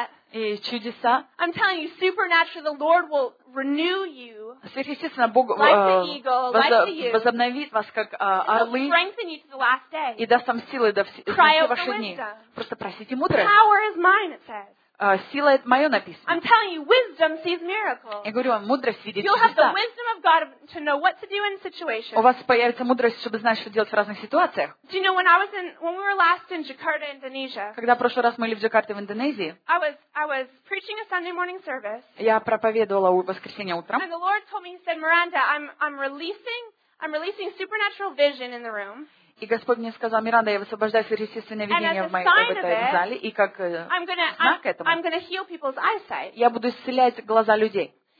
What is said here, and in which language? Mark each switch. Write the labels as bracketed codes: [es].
[ru] И чудеса. [en] I'm telling you, supernaturally, the Lord will renew you. [ru] Сверхъестественно, Бог возобновит вас как орлы. [en] Strengthen you to the last day. [ru] И даст вам силы до всех ваших дней. Просто просите мудрость. [en] Power is mine, it says. [ru] Сила это мое написано. [en] I'm telling you, wisdom sees miracles. [ru] Я говорю вам, мудрость видит чудеса. [en] You'll have the wisdom of God to know what to do in situations. [ru] У вас появится мудрость, чтобы знать, что делать в разных ситуациях. [en] Do you know when we were last in Jakarta, Indonesia? [ru] Когда прошлый раз мы были в Джакарте, в Индонезии? [en] I was preaching a Sunday morning service. [ru] Я проповедовала в воскресенье утром. [en] And the Lord told me, He said, Miranda, I'm releasing supernatural vision in the room. [ru] И Господь мне сказал, Миранда, я высвобождаю сверхъестественное видение в этой зале, и как знак этому, я буду исцелять глаза людей.